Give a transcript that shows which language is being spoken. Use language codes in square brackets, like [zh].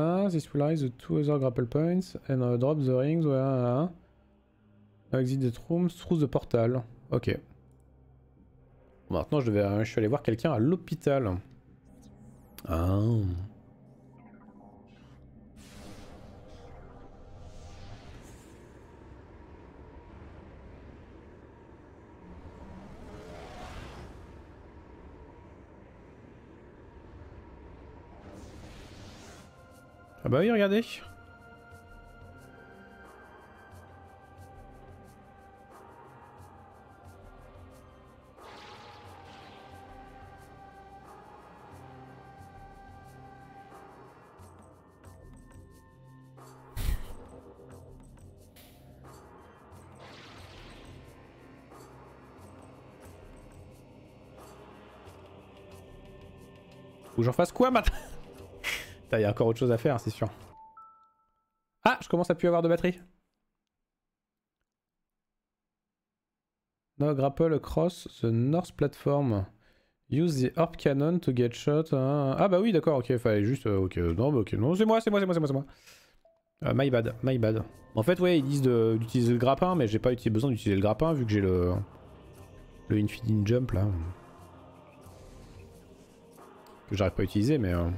[en] This will rise the two other grapple points and drop the rings. Exit the room through the portal. Ok. [fr] Maintenant, je suis allé voir quelqu'un à l'hôpital. Ah. Ah bah oui, regardez. J'en fasse quoi maintenant? Il y a encore autre chose à faire, c'est sûr. Ah, je commence à plus avoir de batterie. [en] No grapple across the north platform. Use the orb cannon to get shot. [fr] Ah bah oui, d'accord, ok, fallait juste... Non, c'est moi. [en] My bad. [fr] En fait, ouais, ils disent d'utiliser le grappin, mais j'ai pas besoin d'utiliser le grappin vu que j'ai le infinite jump là. J'arrive pas à utiliser, mais.